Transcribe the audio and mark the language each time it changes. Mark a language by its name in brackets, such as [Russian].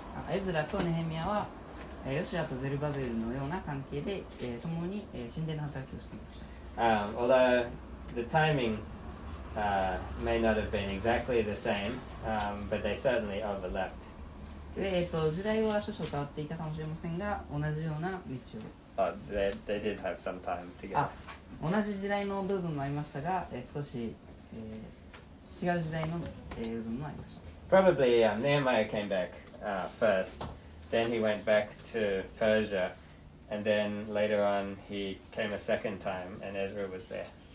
[Japanese] Ezra とネヘミヤはヨシュアとゼルバベルのような関係で共に神殿の働きをしていました。 [English] Although the timing may not have been exactly the same, but they certainly overlapped. [Japanese] で、時代は少々変わっていたかもしれませんが、同じような道を。 [English] They did have some time together. [Japanese] 同じ時代の部分もありましたが、少し、違う時代の、部分もありました。 [English] Probably, Nehemiah came back, first. Then he went back to Persia. And then later on, he came a second time, and Ezra was there.